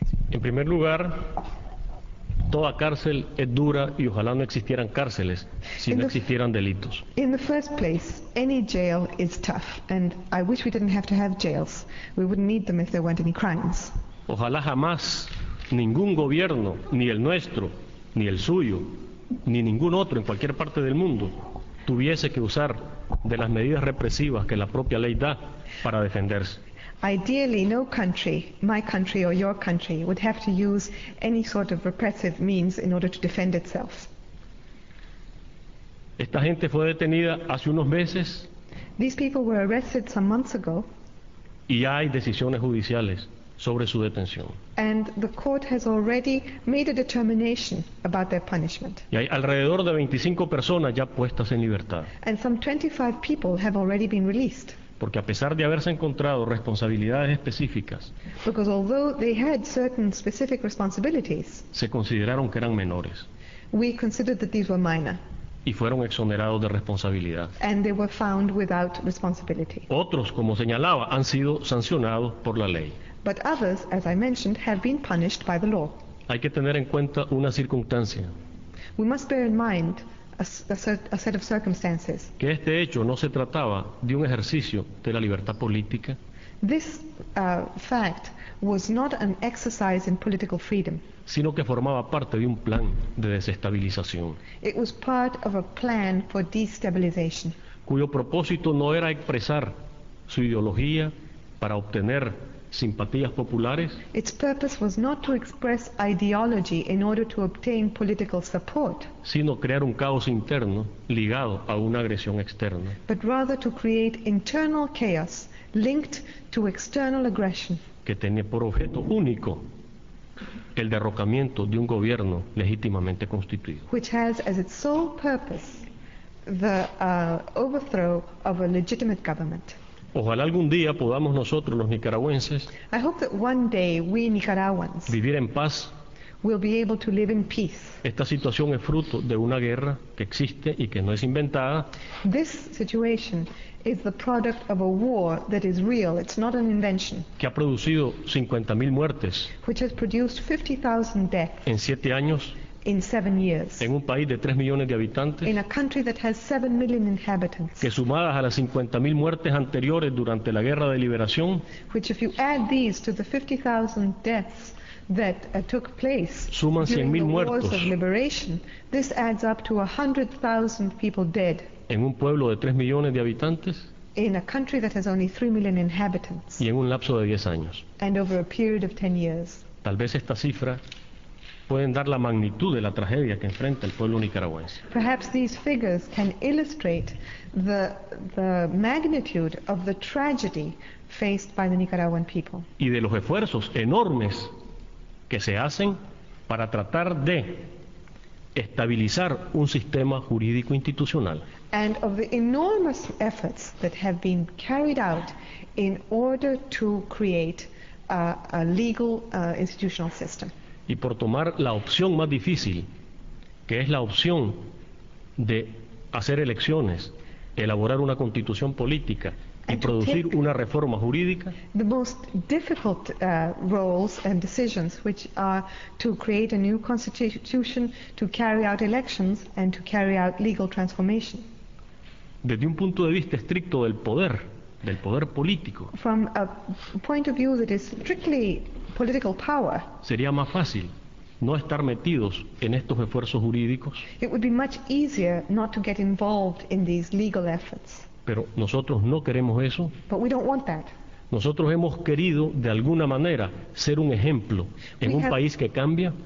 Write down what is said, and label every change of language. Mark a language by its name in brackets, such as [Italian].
[Spanish] En primer lugar, toda cárcel es dura y ojalá no existieran cárceles si no existieran delitos. [English] In the first place, any jail is tough, and I wish we didn't have to have jails. We wouldn't need them if there weren't any crimes. [Spanish] Ojalá jamás ningún gobierno, ni el nuestro, ni el suyo, ni ningún otro en cualquier parte del mundo tuviese que usar de las medidas represivas que la propia ley da para defenderse. [English] Ideally, no country, my country or your country, would have to use any sort of repressive means in order to defend itself. [Spanish] Esta gente fue detenida hace unos meses. [English] These people were arrested some months ago. [Spanish] Y hay decisiones judiciales sobre su detención. [English] And the court has already made a determination about their punishment. [Spanish] Y hay alrededor de 25 personas ya puestas en libertad. [English] And some 25 people have already been released. [Spanish] Porque a pesar de haberse encontrado responsabilidades específicas, [English] because although they had certain specific responsibilities, [Spanish] se consideraron que eran menores. [English] We considered that these were minor. [Spanish] Y fueron exonerados de responsabilidad. [English] And they were found without responsibility. [Spanish] Otros, como señalaba, han sido sancionados por la ley. [English] But others, as I mentioned, have been punished by the law. [Spanish] Hay que tener en cuenta una circunstancia. [English] We must bear in mind a set of circumstances. [Spanish] Que este hecho no se trataba de un ejercicio de la libertad política. [English] This fact was not an exercise in political freedom, [Spanish] sino que formaba parte de un plan de desestabilización. [English] It was part of a plan for destabilization, [Spanish] cuyo propósito no era expresar su ideología para obtener simpatías populares. [English] Its purpose was not to express ideology in order to obtain political support, [Spanish] sino crear un caos interno ligado a una agresión externa. [English] But rather to create internal chaos linked to external aggression, [Spanish] que tenía por objeto único el derrocamiento de un gobierno legítimamente constituido, [English] which has as its sole purpose the overthrow of a legitimate government. [Spanish] Ojalá algún día podamos nosotros, los nicaragüenses, [English] I hope that one day we Nicaraguans [Spanish] vivir en paz. [English] We'll be able to live in peace. [Spanish] Esta situación es fruto de una guerra que existe y que no es inventada. [English] This situation is the product of a war that is real. It's not an invention. [Spanish] Que ha producido 50,000 muertes, [English] which has produced 50,000 deaths, [Spanish] en 7 años, [English] in 7 years, [Spanish] en un país de 3 millones de habitantes, [English] in a country that has 7 million inhabitants, [Spanish] que sumadas a las 50,000 muertes anteriores durante la Guerra de Liberación, [English] which if you add these to the 50,000 deaths that took place [Spanish] suman 100,000 muertos, [English] during the wars of liberation, this adds up to 100,000 people dead, [Spanish] en un pueblo de 3 millones de habitantes, [English] in a country that has only 3 million inhabitants, [Spanish] y en un lapso de 10 años, [English] and over a period of 10 years. [Spanish] Tal vez esta cifra pueden dar la magnitud de la tragedia que enfrenta el pueblo nicaragüense. [English] Perhaps these figures can illustrate the magnitude of the tragedy faced by the Nicaraguan people, [Spanish] y de los esfuerzos enormes que se hacen para tratar de estabilizar un sistema jurídico institucional. [English] And of the enormous efforts that have been carried out in order to create a legal institutional system. [Spanish] Y por tomar la opción más difícil, que es la opción de hacer elecciones, elaborar una constitución política y producir una reforma jurídica. [English] The most difficult roles and decisions, which are to create a new constitution, to carry out elections, and to carry out legal transformation. [Spanish] Desde un punto de vista estricto del poder político, [English] from a point of view that is strictly political power, [Spanish] sería más fácil no estar metidos en estos esfuerzos jurídicos. [English] It would be much easier not to get involved in these legal efforts. [Spanish] Pero nosotros no queremos eso. [English] But we don't want that. [Spanish] Nosotros hemos querido, de alguna manera, ser un ejemplo en un país que cambia.